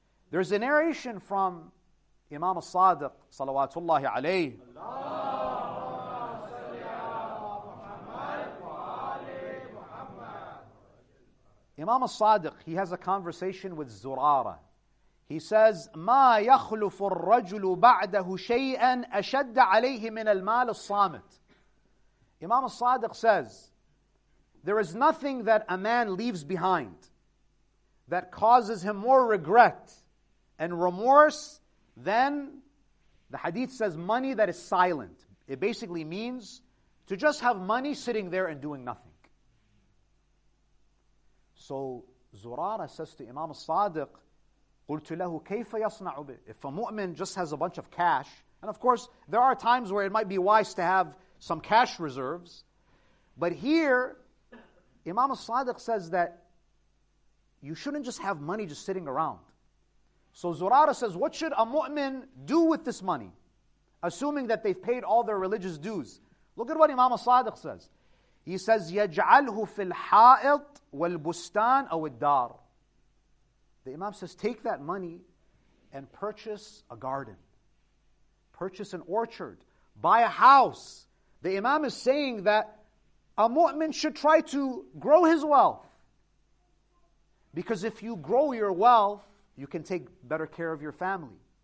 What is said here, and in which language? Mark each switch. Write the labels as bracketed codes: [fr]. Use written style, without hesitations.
[en] There's a narration from Imam al-Sadiq, salawatullahi alayhi. Imam al-Sadiq, he has a conversation with Zurara. He says, [ar] مَا يَخْلُفُ الرَّجُلُ بَعْدَهُ شَيْئًا أَشَدَّ عَلَيْهِ مِنَ الْمَالِ الصَّامِتِ. [en] Imam al-Sadiq says, there is nothing that a man leaves behind that causes him more regret and remorse than, the hadith says, money that is silent. It basically means to just have money sitting there and doing nothing. So Zurara says to Imam al-Sadiq, [ar] قُلْتُ لَهُ كَيْفَ يَصْنَعُ بِهِ. [en] If a mu'min just has a bunch of cash, and of course, there are times where it might be wise to have some cash reserves, but here, Imam al-Sadiq says that you shouldn't just have money just sitting around. So Zurara says, what should a mu'min do with this money, assuming that they've paid all their religious dues? Look at what Imam al-Sadiq says. He says, [ar] يَجْعَلْهُ فِي الْحَائِطْ وَالْبُسْتَانِ أَوِ الدَّارِ. [en] The Imam says, take that money and purchase a garden. Purchase an orchard. Buy a house. The Imam is saying that a mu'min should try to grow his wealth. Because if you grow your wealth, you can take better care of your family.